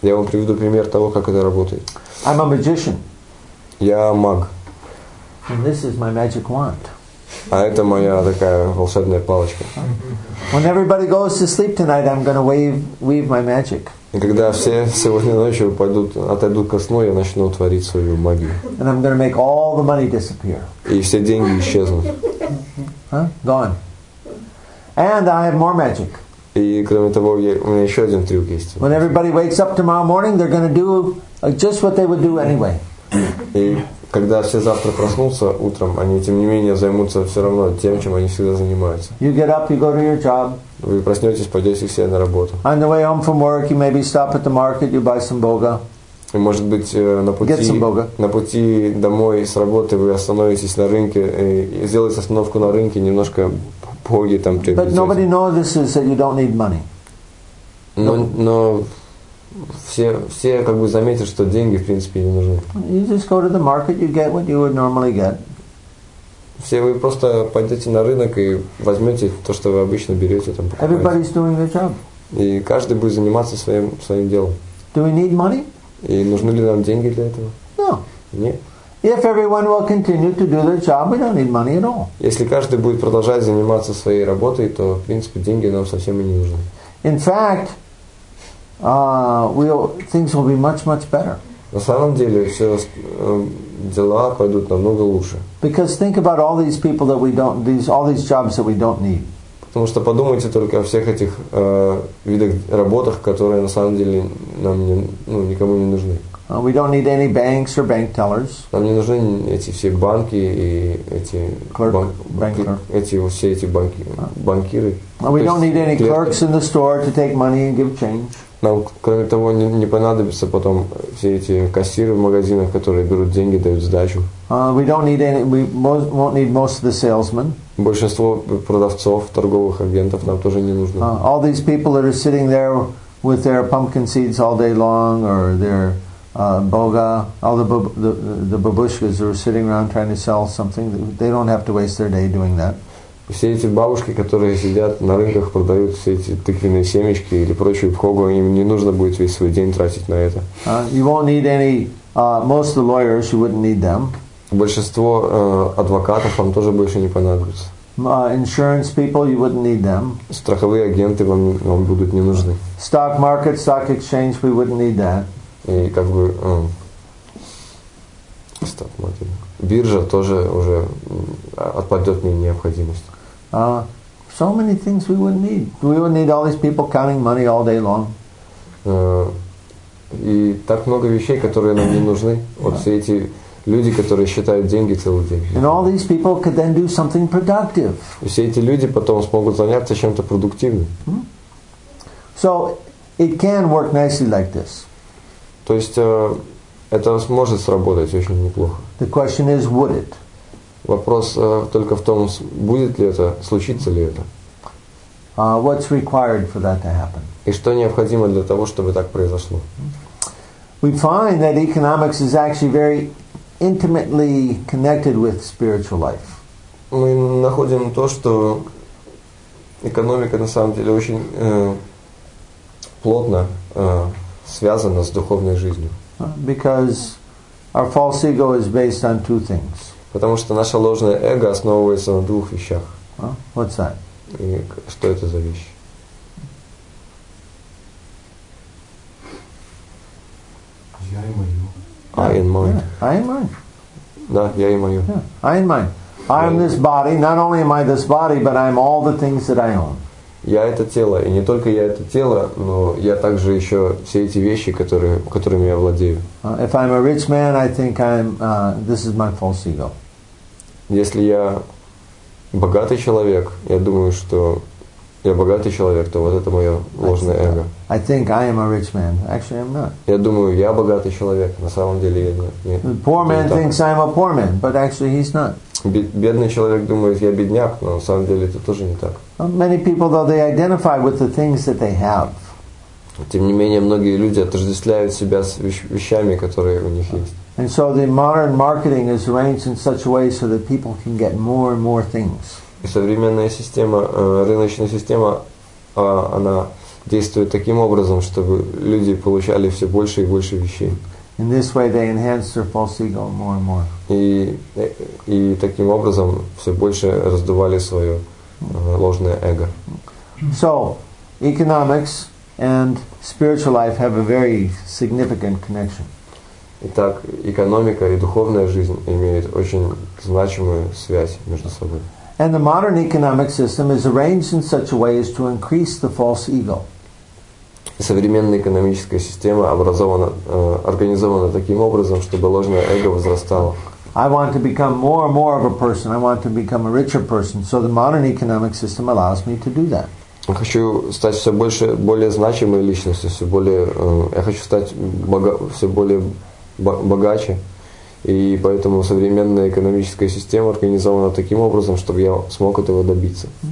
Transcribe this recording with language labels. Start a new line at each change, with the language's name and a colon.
Russian: Я вам приведу пример того, как это работает.
English: I'm a magician.
Russian: Я маг.
English: And this is my magic wand.
Russian: А это моя такая волшебная палочка.
English: When everybody goes to sleep tonight, I'm going to weave my magic.
Russian: И когда все сегодня ночью отойдут ко сну, я начну творить свою магию.
English: And I'm going to make all the money disappear.
Russian: И все деньги исчезнут.
English: Gone. And I have more magic.
Russian: И кроме того, у меня еще один трюк есть.
English: When everybody wakes up tomorrow morning, they're going to do just what they would do anyway.
Russian: И когда все завтра проснутся утром, они тем не менее займутся все равно тем, чем они всегда занимаются.
English: You get up, you go to your job.
Russian: Вы проснетесь, пойдете все на работу.
English: On the way home from work, you maybe stop at the market, you buy some boga.
Russian: И может быть на пути домой с работы вы остановитесь на рынке и сделаете остановку на рынке немножко.
English: But nobody notices that you don't need money.
Russian: Но все как бы заметят, что деньги в принципе не нужны.
English: You just go to the market, you get what you would normally get.
Russian: Все вы просто пойдете на рынок и возьмете то, что вы обычно берете там. Покупаете.
English: Everybody's doing their job.
Russian: И каждый будет заниматься своим делом.
English: Do we need money?
Russian: И нужны ли нам деньги для этого?
English: No.
Russian: Нет.
English: If everyone will continue to do their job, we don't need money at all.
Russian: Если каждый будет продолжать заниматься своей работой, то, в принципе, деньги нам совсем и не нужны.
English: In fact, things will be much, much better.
Russian: На самом деле, все дела пойдут намного лучше.
English: Because think about all these people that we don't, all these jobs that we don't need.
Russian: Потому что подумайте только о всех этих видах работах, которые на самом деле нам никому не нужны.
English: We don't need any banks or bank tellers.
Russian: Нам не нужны эти все банки и эти банкиры.
English: We don't need any clerks in the store to take money and give change.
Russian: Нам кроме того не понадобится потом все эти кассиры в магазинах, которые берут деньги, дают сдачу.
English: We don't need any. We won't need most of the salesmen.
Russian: Большинство продавцов, торговых агентов нам тоже не нужно.
English: All these people that are sitting there with their pumpkin seeds all day long or their boga, all the babushkas are sitting around trying to sell something. They don't have to waste their day doing that.
Russian: Все эти бабушки, которые сидят на рынках, продают все эти тыквенные семечки или прочую пхогу, им не нужно будет весь свой день тратить на это.
English: You won't need any. Most of the lawyers, you wouldn't need them.
Russian: Большинство адвокатов вам тоже больше не понадобится.
English: Insurance people, you wouldn't need them.
Russian: Страховые агенты вам будут не нужны.
English: Stock market, stock exchange, we wouldn't need that.
Russian: И как бы стоп, биржа тоже уже отпадет мне необходимость.
English: So many things we would need. We would need all these people counting money all day long.
Russian: И так много вещей, которые нам не нужны. Вот все эти люди, которые считают деньги целый день.
English: And all these people could then do something productive.
Russian: И все эти люди потом смогут заняться чем-то продуктивным.
English: So it can work nicely like this.
Russian: То есть это сможет сработать очень неплохо.
English: The question is, would it?
Russian: Вопрос только в том, будет ли это, случится ли это.
English: What's required for that to happen?
Russian: И что необходимо для того, чтобы так произошло?
English: We find that economics is actually very intimately connected with spiritual life.
Russian: Мы находим то, что экономика на самом деле очень плотно связана с духовной жизнью.
English: Because our false ego is based on two things.
Russian: Потому что наше ложное эго основывается на двух вещах.
English: What's that?
Russian: И что это за вещь? Я и мое.
English: I and mine. I and mine.
Russian: Да, я и мое.
English: I and mine. I am this body. Not only am I this body, but I'm all the things that I own.
Russian: Я это тело, и не только я это тело, но я также еще все эти вещи, которыми я владею.
English: If I'm a rich man, I think I'm this is my false ego.
Russian: Если я богатый человек, я думаю, что я богатый человек, то вот это мое ложное эго.
English: I think I am a rich man. Actually, I'm not.
Russian: Я думаю, я богатый человек, на самом деле я нет.
English: The poor man thinks I'm a poor man, but actually he's not.
Russian: Бедный человек думает, я бедняк, но на самом деле это тоже не так.
English: Many people, though, they identify with the things that they have.
Russian: Тем не менее, многие люди отождествляют себя с вещами, которые у них есть.
English: And so the modern marketing is arranged in such a way so that people can get more and more things.
Russian: И современная система, рыночная система, она действует таким образом, чтобы люди получали все больше и больше вещей.
English: In this way, they enhance their false ego more and more.
Russian: И таким образом все больше раздували свое ложное эго.
English: So, economics and spiritual life have a very significant connection.
Russian: Итак, экономика и духовная жизнь имеют очень значимую связь между собой.
English: And the modern economic system is arranged in such a way as to increase the false ego.
Russian: Современная экономическая система образована, организована таким образом, чтобы ложное эго возрастало.
English: I want to become more and more of a person. I want to become a richer person. So the modern economic system allows me to do that.
Russian: Я хочу стать все больше, более значимой личностью, все более, я хочу стать все более богаче. И поэтому современная экономическая система организована таким образом, чтобы я смог этого добиться.